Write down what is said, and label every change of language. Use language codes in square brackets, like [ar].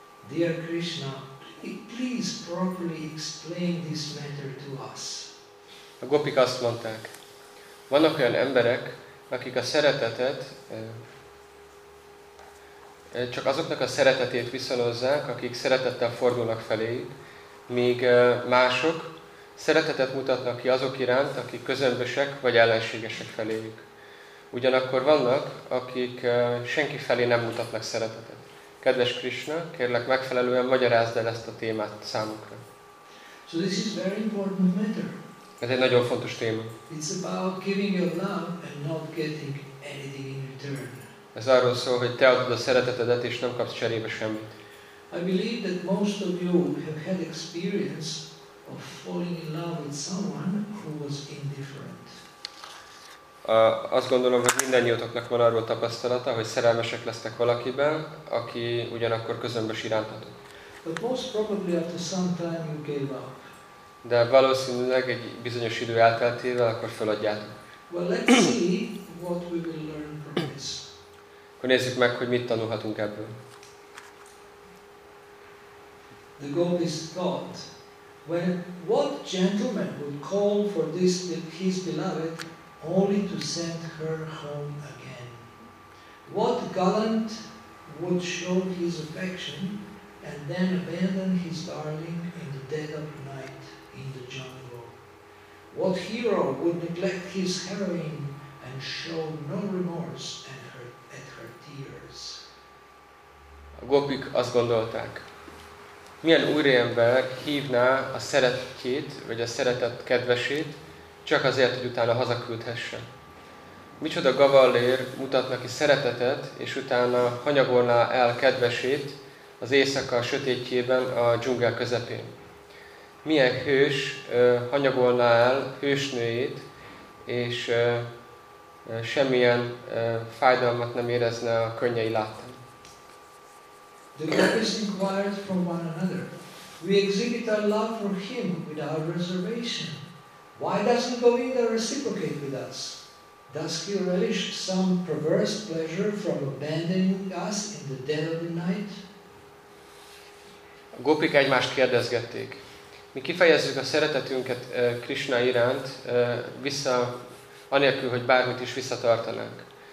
[en] Dear Krishna, please properly explain this matter to us. [hu] A gopik azt mondták, vannak olyan emberek, akik a szeretetet csak azoknak a szeretetét viszonozzák, akik szeretettel fordulnak feléjük, míg mások szeretetet mutatnak ki azok iránt, akik közömbösek vagy ellenségesek feléjük. Ugyanakkor vannak, akik senki felé nem mutatnak szeretetet. Kedves Krishna, kérlek megfelelően magyarázd el ezt a témát számukra. [en] So this is very important matter. [hu] Ez egy nagyon fontos téma. [en] It's about giving your love and not getting anything in return. [hu] Ez arról szól, hogy te adod a szeretetedet és nem kapsz cserébe semmit. [en] I believe that most of you have had experience of falling in love with someone who was indifferent. [hu] Azt gondolom, hogy mindannyiótoknak van arról tapasztalata, hogy szerelmesek lesztek valakiben, aki ugyanakkor közömbös iránt adott. [en] But most probably after some time you gave up. [hu] De valószínűleg egy bizonyos idő elteltével akkor feladjátok. [en] Well, let's see what we will learn from this. [hu] Akkor nézzük meg, hogy mit tanulhatunk ebből. [en] The gopis thought, when what gentleman would call for this his beloved only to send her home again? What gallant would show his affection and then abandon his darling in the dead of night in the jungle? What hero would neglect his heroine and show no remorse at her tears? [hu] A gopik azt gondolták, milyen úriember hívná a szeretjét, vagy a szeretett kedvesét, csak azért, hogy utána hazaküldhesse. Micsoda gavallér mutatna ki szeretetet, és utána hanyagolná el kedvesét az éjszaka sötétjében a dzsungel közepén. Milyen hős hanyagolná el hősnőjét, és semmilyen fájdalmat nem érezne a könnyei láttán. [en] The gopis inquired from one another, we exhibit our love for him without reservation. Why doesn't Govinda reciprocate with us? Does he relish some perverse pleasure from abandoning us in the dead of the night? [hu] A gopik egymást kérdezgették. Mi kifejezzük a szeretetünket Krishna iránt, vissza, anélkül, hogy bármit is visszatartanánk.